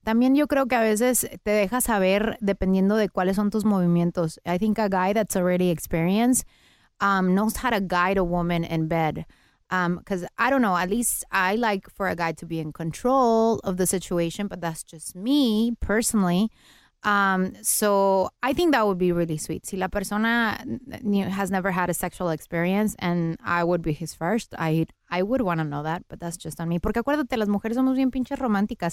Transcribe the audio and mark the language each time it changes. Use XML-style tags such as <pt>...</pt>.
<es>También yo creo que a veces te deja saber dependiendo de cuáles son tus movimientos.</es> <en>I think a guy that's already experienced knows how to guide a woman in bed. Because, I don't know, at least I like for a guy to be in control of the situation, but that's just me, personally. So I think that would be really sweet.</en> <es>Si la persona</es> <en>has never had a sexual experience and I would be his first, I would want to know that, but that's just on me.</en> <es>Porque acuérdate, las mujeres somos bien pinches románticas.</es>